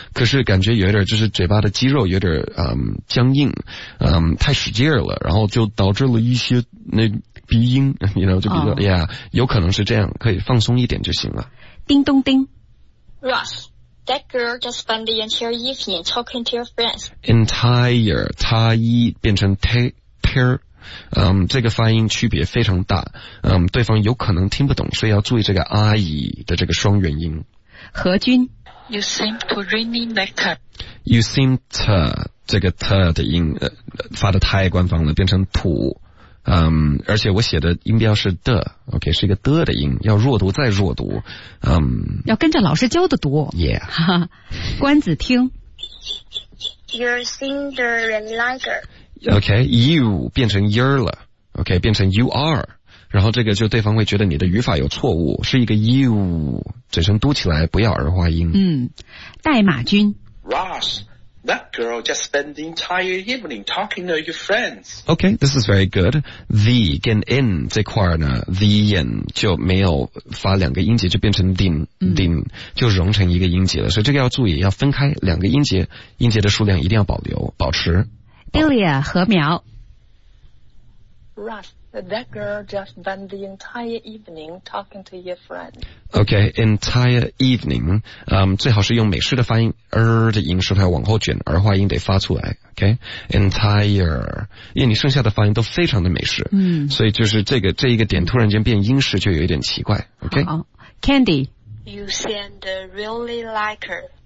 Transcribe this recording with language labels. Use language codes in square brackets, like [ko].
[zh] 可是感觉有点就是嘴巴的肌肉有点僵硬，太使劲了，然后就导致了一些那鼻音，你知道就比较有可能是这样，可以放松一点就行了。叮咚叮 [en] ，Russ， that girl just spent the entire evening talking to your friends. [zh] Entire， 他一变成 tear。这个发音区别非常大，对方有可能听不懂，所以要注意这个阿姨的这个双元音。何君 [en] ，You seem to really like her. You seem to [zh] 这个 to 的音发得太官方了，变成 to， 而且我写的音标是 the，OK，是一个 the 的音，要弱读再弱读，要跟着老师教的读。 [en] Yeah， [zh] 哈哈，关子听 [en] ，You seem to really like her. OK，you 变成 your 了 ，OK， 变成 you are。 [zh] 然后这个就对方会觉得你的语法有错误，是一个 you， 嘴唇嘟起来，不要儿化音。代码君 [en] ，Ross， that girl just spent the entire evening talking to your friends. Okay, this is very good. [zh] The 跟 in 这块呢 ，the in 就没有发两个音节，就变成 din，就融成一个音节了。所以这个要注意，要分开两个音节，音节的数量一定要保留保持。 Delia 禾苗 [en] ，Ross。 That girl just spent the entire evening talking to your friend. Okay, entire evening. [zh] 最好是用美式的发音 ，r 的音是它往后卷，儿化音得发出来。 [en] Okay, entire. [zh] 因为你剩下的发音都非常的美式。所以就是这一个点突然间变英式就有一点奇怪。 [en] Okay, Candy. You seemed really like her.